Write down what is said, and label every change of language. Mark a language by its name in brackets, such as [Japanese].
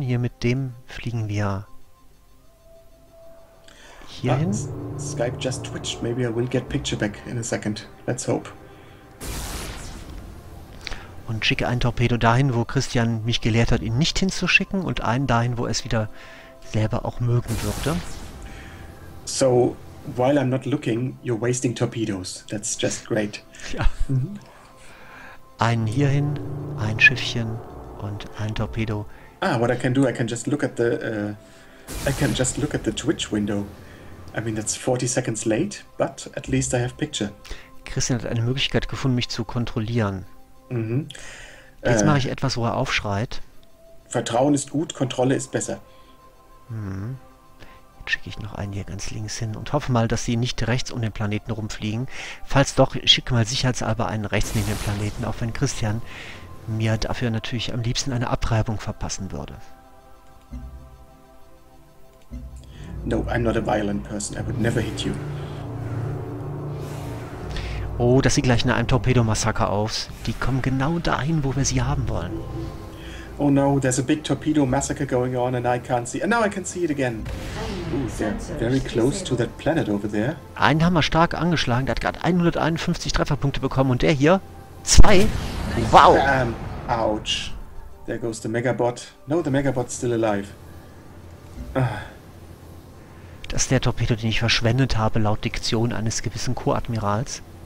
[German] Hier mit dem fliegen wir hier hin. [English] Skype just twitched. Maybe I will get picture back in a second. Let's hope. [German] Und schicke ein Torpedo dahin, wo Christian mich gelehrt hat, ihn nicht hinzuschicken. Und einen dahin, wo er es wieder selber auch mögen würde. [English] So, while I'm not looking, you're wasting torpedoes. That's just great. [German] Ja. Mhm. Einen hierhin, ein Schiffchen und ein Torpedo. [English] Ah, what I can do, I can just look at the Twitch window. I mean, that's 40 seconds late, but at least I have picture. [German] Christian hat eine Möglichkeit gefunden, mich zu kontrollieren. Mhm. Jetzt mache ich etwas, wo er aufschreit. Vertrauen ist gut, Kontrolle ist besser. Mhm. Schicke ich noch einen hier ganz links hin und hoffe mal, dass sie nicht rechts um den Planeten rumfliegen. Falls doch, schicke mal sicherheitshalber einen rechts neben den Planeten, auch wenn Christian mir dafür natürlich am liebsten eine Abtreibung verpassen würde. [English] No, I'm not a violent person. I would never hit you. [German] Oh, das sieht gleich nach einem Torpedo-Massaker aus. Die kommen genau dahin, wo wir sie haben wollen. [English] Oh no, there's a big torpedo massacre going on and I can't see. And now I can see it again. Ooh, they're very close to that planet over there. [German] Einen haben wir stark angeschlagen, der hat gerade 151 Trefferpunkte bekommen und der hier 2. [English] Wow! Ouch. There goes the Megabot. No, the Megabot's still alive. [German] Das ist der Torpedo, den ich verschwendet habe, laut Diktion eines gewissen Co-Admirals.